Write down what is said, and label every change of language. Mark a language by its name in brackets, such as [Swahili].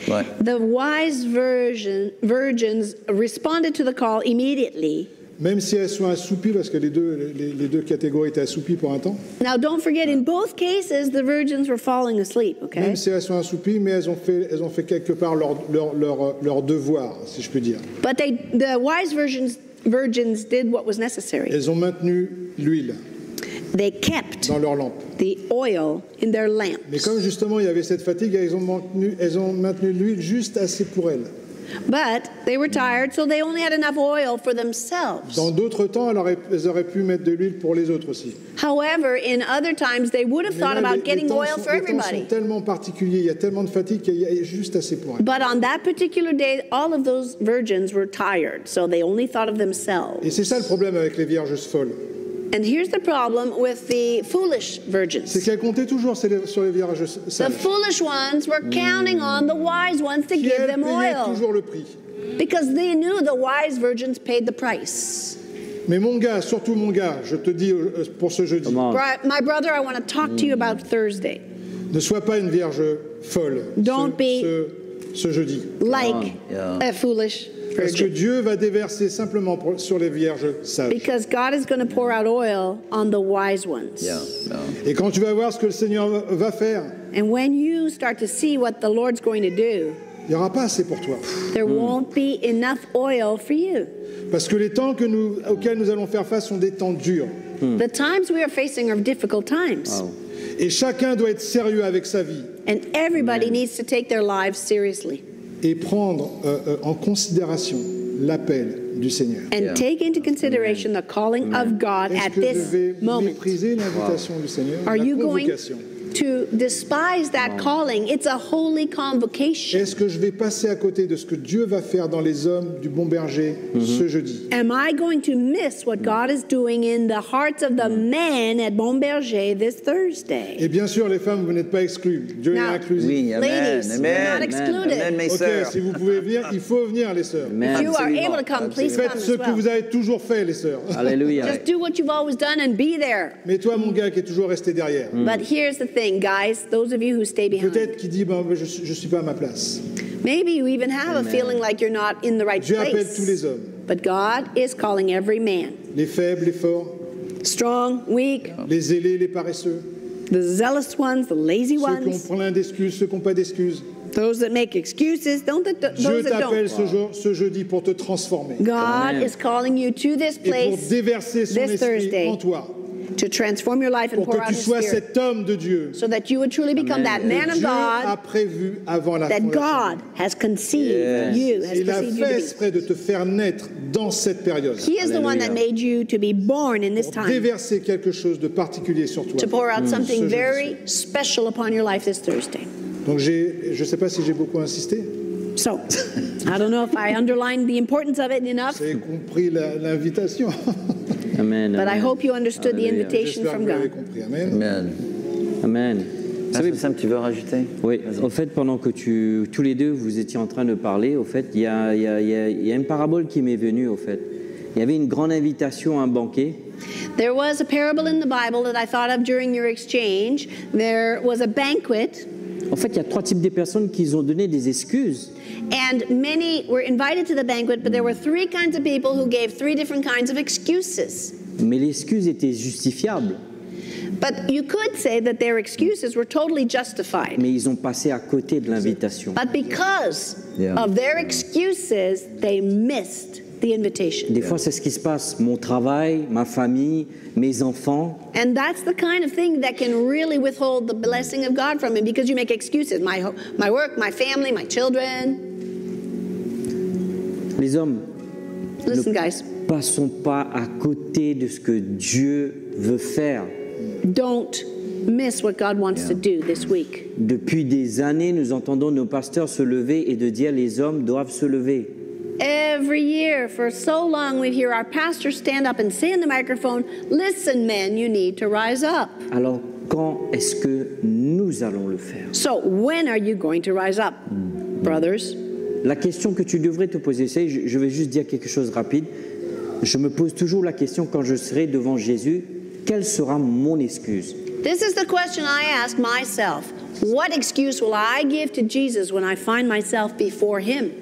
[French] Ouais. [English] The wise virgins responded to the call immediately. [French] Même si elles sont assoupies, parce que les deux catégories étaient assoupies pour un temps. [English] Now, don't forget, in both cases, the virgins were falling asleep. Okay. [French] Même si elles sont assoupies, mais elles ont fait quelque part leur devoir, si je puis dire. [English] But the wise virgins did what was necessary. [French] Elles ont maintenu l'huile. [English] They kept [French] dans leur lampe. [English] The oil in their lamps. [French] Mais comme justement il y avait cette fatigue, elles ont maintenu l'huile juste assez pour elles. [English] But they were tired, so they only had enough oil for themselves. [French] Dans d'autres temps, elles auraient pu mettre de l'huile pour les autres aussi. [English] However, in other times, they would have thought about getting oil for everybody. [French] Les temps sont tellement particuliers, il y a tellement de fatigue qu'il y a juste assez pour elles. [English] But on that particular day, all of those virgins were tired, so they only thought of themselves. [French] Et c'est ça le problème avec les vierges folles. [English] And here's the problem with the foolish virgins. [French] C'est qu'elles comptaient toujours sur les vierges sages. [English] The foolish ones were counting on the wise ones to give them oil. [French] Qui payait toujours le prix. [English] Because they knew the wise virgins paid the price. [French] Mais mon gars, surtout mon gars, je te dis pour ce jeudi. [English] My brother, I want to talk to you about Thursday. [French] Ne sois pas une vierge folle. [English] Don't be [French] ce jeudi. [English] Like a foolish virgin. [French] Parce que Dieu va déverser simplement sur les vierges sages. [English] Because God is going to pour out oil on the wise ones. Yeah, yeah. [French] Et quand tu vas voir ce que le Seigneur va faire, [English] and when you start to see what the Lord's going to do, [French] il n'y aura pas assez pour toi. [English] There won't be enough oil for you. [French] Parce que les temps que nous, auxquels nous allons faire face sont des temps durs. [English] The times we are facing are difficult times. Wow. [French] Et chacun doit être sérieux avec sa vie. [English] And everybody needs to take their lives seriously. [French] Et prendre en considération l'appel du Seigneur. [English] And take into consideration the calling of God at this moment. [French] Est-ce que je vais mépriser l'invitation du Seigneur, la convocation? [English] To despise that calling, it's a holy convocation. [French] Est-ce que je vais passer à côté de ce que Dieu va faire dans les hommes du Bon Berger ce jeudi? [English] Am I going to miss what God is doing in the hearts of the men at Bon Berger this Thursday? [French] Et bien sûr, les femmes, vous n'êtes pas exclues. Dieu est inclusif. Oui, [English] ladies, amen, not excluded. Amen, okay, [French] sœurs. Si vous pouvez venir, il faut venir, les sœurs. [English] Amen. If you are able to come, absolutely, please come. [French] Faites ce que [English] well. [French] Vous avez toujours fait, les sœurs. Alléluia. [English] Just do what you've always done and be there. [French] Mais toi, mon gars, qui est toujours resté derrière. [English] But here's the thing, guys, those of you who stay behind. [French] Peut-être qui dit, je suis pas à ma place. [English] Maybe you even have a feeling like you're not in the right [French] Dieu [English] place. [French] Appelle tous les hommes. [English] But God is calling every man. [French] Les faibles, les forts. [English] Strong, weak. [French] Les zélés, les paresseux. [English] The zealous ones, the lazy [French] ceux [English] ones. [French] Ceux qui ont plein d'excuses, ceux qui n'ont pas d'excuses. [English] Those that make excuses, [French] Dieu t'appelle ce jeudi pour te transformer. [English] God is calling you to this place. [French] Et pour déverser son esprit en toi. [English] To transform your life and [French] pour pour que tu sois cet homme de Dieu, [English] so that you would truly become Amen. That man [French] Dieu [English] of God [French] a prévu avant la [English] that God has conceived you, [French] il [English] has conceived [French] a fait [English] you [French] de te faire naître dans cette période. [English] He is Alleluia. The one that made you to be born in this [French] pour [English] time. [French] Déverser quelque chose de particulier sur toi, [English] to pour out something very special upon your life this Thursday. [French] Donc je sais pas si j'ai beaucoup insisté. [English] So, I don't know if I underlined the importance of it enough. [French] J'ai compris l'invitation. Amen, [English] but amen. I hope you understood Alleluia. The invitation [French] J'espère [English] from God. Amen. Amen. Amen. [French] Ça, c'est simple, tu veux rajouter? Oui. Vas-y. Au fait, pendant que tous les deux vous étiez en train de parler, au fait, il y a une parabole qui m'est venue. Au fait, il y avait une grande invitation à un banquet. [English] There was a parable in the Bible that I thought of during your exchange. There was a banquet. [French] En fait, il y a trois types de personnes qui ont donné des excuses. [English] And many were invited to the banquet, but there were three kinds of people who gave three different kinds of excuses. [French] Mais l'excuse était justifiable. [English] But you could say that their excuses were totally justified. [French] Mais ils ont passé à côté de l'invitation. [English] But because of their excuses, they missed the invitation. [French] Des fois, c'est ce qui se passe. Mon travail, ma famille, mes enfants. [English] And that's the kind of thing that can really withhold the blessing of God from him, because you make excuses. My work, my family, my children. [French] Les hommes. [English] Listen, guys. [French] Passons pas à côté de ce que Dieu veut faire. [English] Don't miss what God wants to do this week. [French] Depuis des années, nous entendons nos pasteurs se lever et de dire les hommes doivent se lever. [English] Every year, for so long, we hear our pastor stand up and say in the microphone, "Listen, men, you need to rise up." [French] Alors, quand est-ce que nous allons le faire? [English] So, when are you going to rise up, brothers? [French] La question que tu devrais te poser, c'est, je vais juste dire quelque chose rapide. Je me pose toujours la question quand je serai devant Jésus, quelle sera mon excuse? [English] This is the question I ask myself. What excuse will I give to Jesus when I find myself before him?